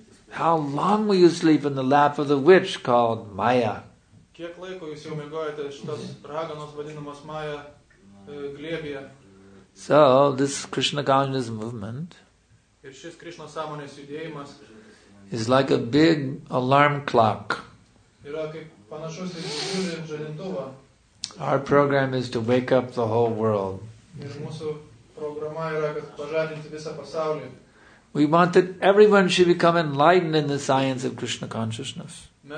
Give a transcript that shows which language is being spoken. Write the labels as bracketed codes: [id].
[en] How long will you sleep in the lap of the witch called Maya? [lt] Kiek laiko jūs jau mėgojate šitas raganos vadinamas Maja glėbėje? [en] So, this Krishna consciousness movement [lt] ir šis Krishna sąmonės judėjimas [en] is like a big alarm clock. [lt] Yra kaip panašus į didžiulį žadintuvą. [en] Our program is to wake up the whole world. [lt] Ir mūsų programa yra, kad pažadinti visą pasaulį. [en] We want that everyone should become enlightened in the science of Krishna consciousness.